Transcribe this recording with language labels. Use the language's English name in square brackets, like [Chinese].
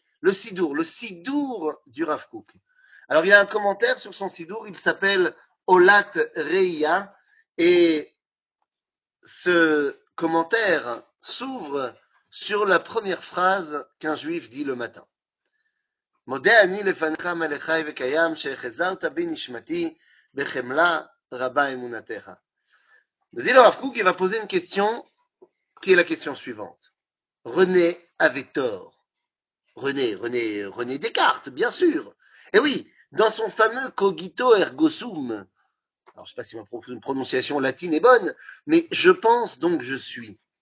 [French] Le Sidour du Rav Cook. Alors, il y a un commentaire sur son Sidour, il s'appelle Olat Reiya. Et ce commentaire s'ouvre sur la première phrase qu'un juif dit le matin. [Hebrew] מודה אני לפניך מלך חי וקיים שהחזרת בי נשמתי בחמלה רבה אמונתך. נדיד לו הרב קוק, [French] il va poser une question qui est la question suivante. René avait tort. René Descartes, bien sûr. Et oui, dans son fameux Cogito Ergo Sum, alors je ne sais pas si ma prononciation latine est bonne, mais je pense donc je suis.